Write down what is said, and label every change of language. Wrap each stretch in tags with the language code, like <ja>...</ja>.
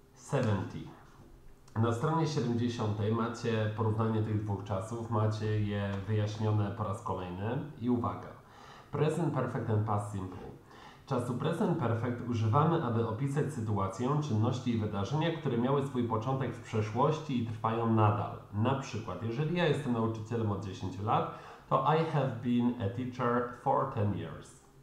<pl>70. Na stronie 70 macie porównanie tych dwóch czasów, macie je wyjaśnione po raz kolejny. I uwaga, present perfect and past simple. Czasu present perfect używamy, aby opisać sytuację, czynności i wydarzenia, które miały swój początek w przeszłości i trwają nadal. Na przykład, jeżeli ja jestem nauczycielem od 10 lat, to</pl> <en>I have been a teacher for 10 years.</en>